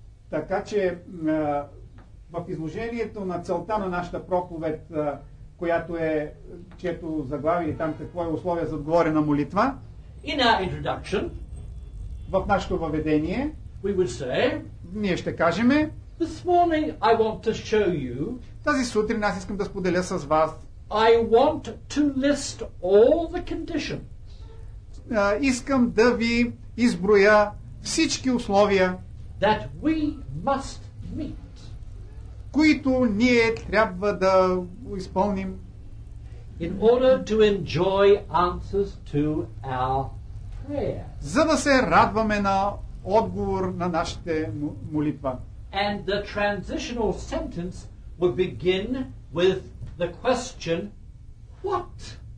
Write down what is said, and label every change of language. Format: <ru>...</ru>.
<bg>така че в изложението на целта на нашата проповед, която е, чието заглавие там, какво е условие за отговорена молитва.</bg> <en>In our introduction,</en> <bg>в нашето въведение,</bg> <en>we would say,</en> <bg>ние ще кажем,</bg> <en>this morning I want to show you,</en> <bg>тази сутрин аз искам да споделя с вас,</bg> <en>I want to list all the conditions.</en> <bg>Искам да ви изброя всички условия,</bg> <en>that we must meet,</en> <bg>които ние трябва да изпълним.</bg> <en>In order to enjoy answers to our prayer.</en> <bg>За да се радваме на отговор на нашите молитва.</bg> <en>And the transitional sentence would begin with the question, what?</en>